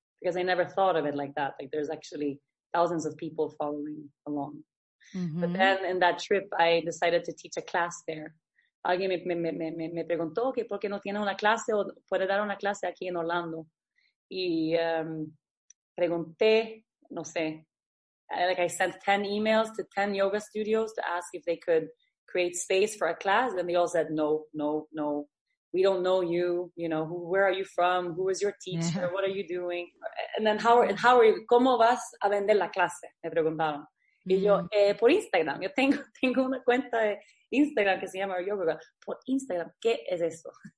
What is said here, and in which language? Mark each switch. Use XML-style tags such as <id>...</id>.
<en>Because I never thought of it like that. Like, there's actually thousands of people following along. Mm-hmm. But then in that trip, I decided to teach a class there.</en> <es>Alguien me preguntó que por qué no tiene una clase o puede dar una clase aquí en Orlando. Y pregunté, no sé,</es> <en>like I sent 10 emails to 10 yoga studios to ask if they could create space for a class. And they all said, no, no, no. We don't know you. You know, who, where are you from? Who is your teacher? Yeah. What are you doing? And then how are you,</en> <es>¿cómo vas a vender la clase? Me preguntaron. Y yo, por Instagram, yo tengo una cuenta de Instagram que se llama Yoga Girl. Por Instagram, ¿qué es eso?</es>